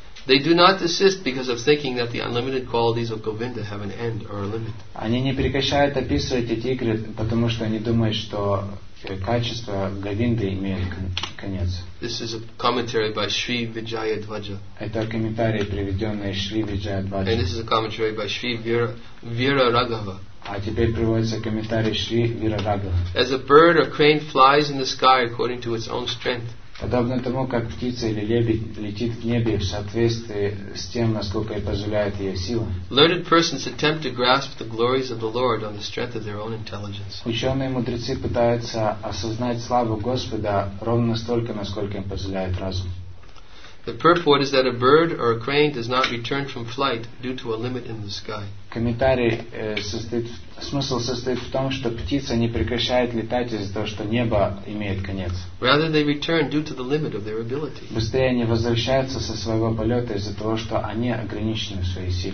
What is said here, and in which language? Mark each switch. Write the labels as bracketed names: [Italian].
[English] They do not desist because of thinking that the unlimited qualities of Govinda have an end or a limit. [Russian] Они не прекращают описывать эти игры, потому что они думают, что качество Говинды имеет конец. [English] This is a commentary by Shri Vijayadvaja. [Russian] Это комментарий, приведенный Шри Виджаядваджа. [English] And this is a commentary by Shri Vira Raghava. [Russian] А теперь приводится комментарий Шри Вира Раghava. [English] As a bird or crane flies in the sky according to its own strength. [Russian] Подобно тому, как птица или лебедь летит в небе в соответствии с тем, насколько ей позволяет ее сила. [English] Learned persons attempt to grasp the glories of the Lord on the strength of their own intelligence. [Russian] Ученые мудрецы пытаются осознать славу Господа ровно столько, насколько им позволяет разум. [English] The purport is that a bird or a crane does not return from flight due to a limit in the sky. [Russian] Комментарий смысл состоит в том, что птица не прекращает летать из-за того, что небо имеет конец. [English] Rather, they return due to the limit of their ability. [Russian] Быстрее они возвращаются со своего полета из-за того, что они ограничены в своей силе.